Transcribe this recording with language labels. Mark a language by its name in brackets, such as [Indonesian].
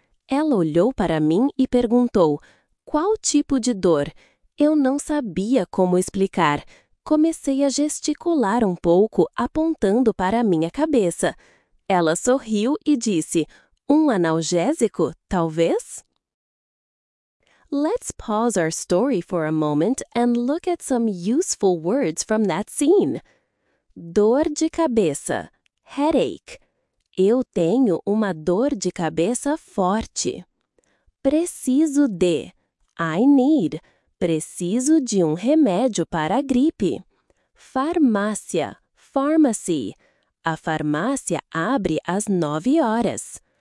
[Portuguese] Ela olhou para mim e perguntou: "Qual tipo de dor?" Eu não sabia como explicar. Comecei a gesticular um pouco, apontando para minha cabeça. Ela sorriu e disse: "Um analgésico, talvez?" [English] Let's pause our story for a moment and look at some useful words from that scene. [Portuguese] Dor de cabeça. [English] Headache. [Portuguese] Eu tenho uma dor de cabeça forte. Preciso de. [English] I need. [Portuguese] Preciso de um remédio para a gripe. Farmácia. [English] Pharmacy. [Portuguese] A farmácia abre às 9 horas.